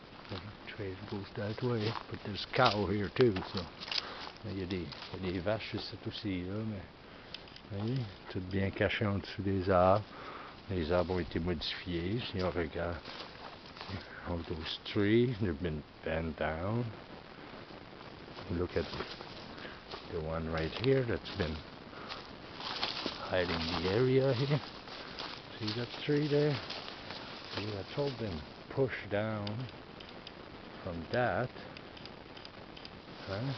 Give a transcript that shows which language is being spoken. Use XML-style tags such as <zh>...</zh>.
<en>The tread goes that way, but there's cow here too, so.</en> <fr>Il y a des vaches, c'est aussi là, mais. Voyez, tout bien caché en dessous des arbres. Les arbres ont été modifiés, si on regarde.</fr> <en>All those trees, they've been bent down. Look at the one right here that's been hiding the area here. See that tree there? See, that's all been pushed down from that. Huh?</en>